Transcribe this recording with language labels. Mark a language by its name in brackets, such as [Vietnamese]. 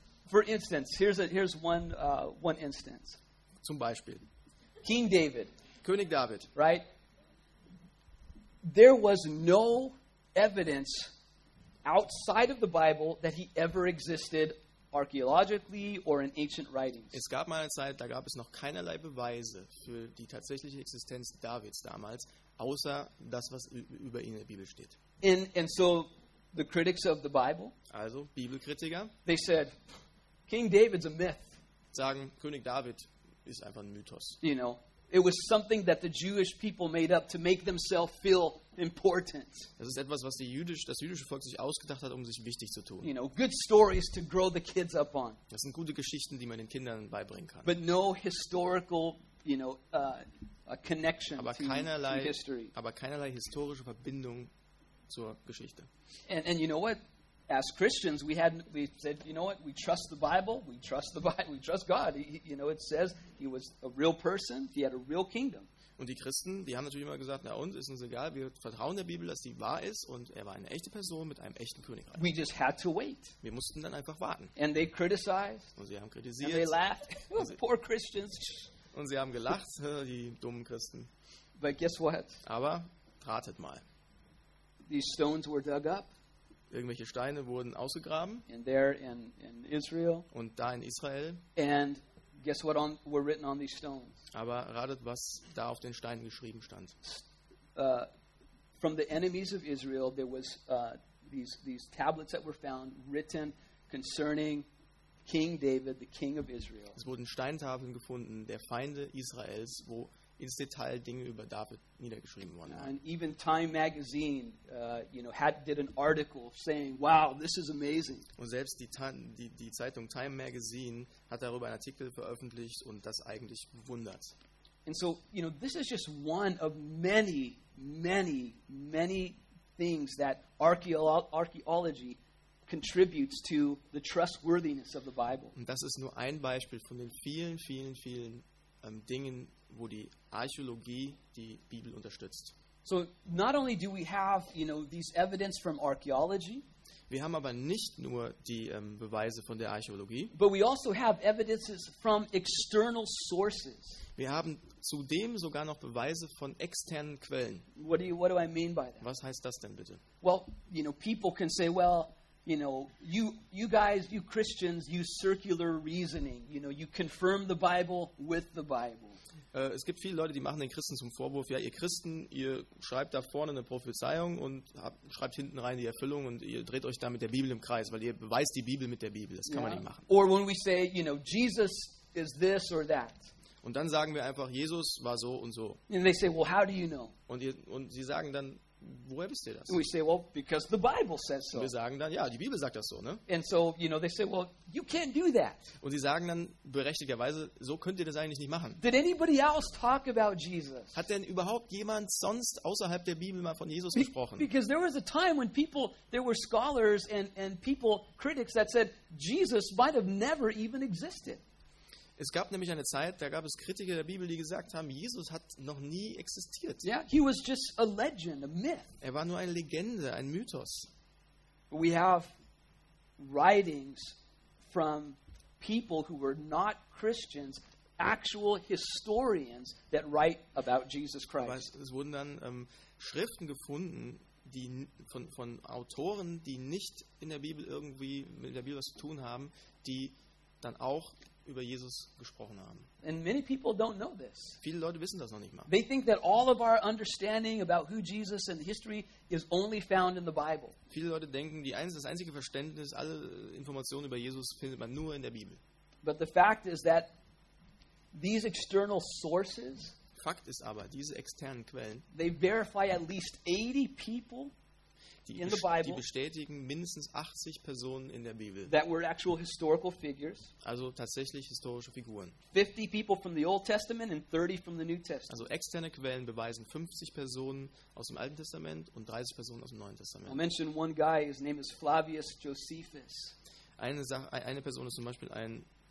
[English] For instance, here's one instance. [German] Zum Beispiel. [English] King David. [German] König David. [English] Right? There was no evidence outside of the Bible that he ever existed archaeologically or in ancient writings. [German] Es gab mal eine Zeit, da gab es noch keinerlei Beweise für die tatsächliche Existenz Davids damals, außer das, was über ihn in der Bibel steht. [English] And so the critics of the Bible, [German] also Bibelkritiker, [English] they said King David's a myth. [German] Sagen, König David ist einfach ein Mythos. [English] You know, it was something that the Jewish people made up to make themselves feel important. [German] Das ist etwas, was das jüdische Volk sich ausgedacht hat, um sich wichtig zu tun. [English] You know, good stories to grow the kids up on. [German] Das sind gute Geschichten, die man den Kindern beibringen kann. [English] But no historical, you know, a connection to history. [German] Aber keinerlei historische Verbindung zur Geschichte. [English] And you know what? As Christians, we said, you know what? We trust the Bible. We trust the Bible. We trust God. You know, it says he was a real person. He had a real kingdom. [German] Und die Christen, die haben natürlich immer gesagt, na uns ist uns egal, wir vertrauen der Bibel, dass sie wahr ist und er war eine echte Person mit einem echten Königreich. [English] We just had to wait. [German] Wir mussten dann einfach warten. [English] And they criticized. [German] Und sie haben kritisiert. [English] And they laughed. Poor Christians. [German] Und sie haben gelacht, die dummen Christen. [English] But guess what? [German] Aber ratet mal. [English] These stones were dug up. [German] Irgendwelche Steine wurden ausgegraben. [English] And there in Israel. [German] Und da in Israel. [English] And guess what on were written on these stones? [German] Aber ratet, was da auf den Steinen geschrieben stand. [English] From the enemies of Israel there was these tablets that were found written concerning King David, the king of Israel. [German] Es wurden Steintafeln gefunden der Feinde Israels, wo ins Detail Dinge über David niedergeschrieben worden waren. [English] And even Time magazine did an article saying, wow, this is amazing. [German] Und selbst die Zeitung Time magazine hat darüber einen Artikel veröffentlicht und das eigentlich bewundert. [English] And so, you know, this is just one of many, many, many things that archaeology contributes to the trustworthiness of the Bible. [German] Und das ist nur ein Beispiel von den vielen, vielen, vielen Dingen, wo die Archäologie die Bibel unterstützt. [English] So not only do we have, you know, these evidence from archaeology, [German] Wir haben aber nicht nur die Beweise von der Archäologie. [English] But we also have evidences from external sources. [German] Wir haben zudem sogar noch Beweise von externen Quellen. [English] What do I mean by that? [German] Was heißt das denn bitte? [English] Well, you know, people can say, well, you know, you guys, you Christians, use circular reasoning. You know, you confirm the Bible with the Bible. [German] Es gibt viele Leute, die machen den Christen zum Vorwurf, ja, ihr Christen, ihr schreibt da vorne eine Prophezeiung und schreibt hinten rein die Erfüllung und ihr dreht euch da mit der Bibel im Kreis, weil ihr beweist die Bibel mit der Bibel. Das kann man nicht machen. [English] Or when we say, you know, Jesus is this or that. [German] Und dann sagen wir einfach, Jesus war so und so. [English] And they say, well, how do you know? [German] Und sie sagen dann, woher wisst ihr das? [English] We say, well, because the Bible says so. [German] Wir sagen dann, ja, die Bibel sagt das so, ne? [English] And so, you know, they say, well, you can't do that. [German] Und sie sagen dann berechtigterweise, so könnt ihr das eigentlich nicht machen. [English] Did anybody else talk about Jesus? [German] Hat denn überhaupt jemand sonst außerhalb der Bibel mal von Jesus gesprochen? [English] Because there was a time when people, there were scholars and people, critics that said Jesus might have never even existed. [German] Es gab nämlich eine Zeit, da gab es Kritiker der Bibel, die gesagt haben, Jesus hat noch nie existiert. [English] Yeah, he was just a legend, a myth. [German] Er war nur eine Legende, ein Mythos. [English] We have writings from people who were not Christians, actual historians that write about Jesus Christ. [German] Aber es wurden dann Schriften gefunden, die von Autoren, die nicht in der Bibel irgendwie mit der Bibel was zu tun haben, die dann auch über Jesus gesprochen haben. [English] And many people don't know this. [German] Viele Leute wissen das noch nicht mal. [English] They think that all of our understanding about who Jesus and history is only found in the Bible. [German] Viele Leute denken, das einzige Verständnis, alle Informationen über Jesus findet man nur in der Bibel. [English] But the fact is that these external sources, [German] Fakt ist aber, diese externen Quellen, [English] they verify at least 80 people in the Bible, [German] die bestätigen mindestens 80 Personen in der Bibel, [English] that were actual historical figures, [German] also tatsächlich historische Figuren. [English] 50 people from the Old Testament and 30 from the New Testament. [German] Also externe Quellen beweisen 50 Personen aus dem Alten Testament und 30 Personen aus dem Neuen Testament. [English] I'll mention one guy, his name is Flavius Josephus. [German] Eine Person ist zum Beispiel ein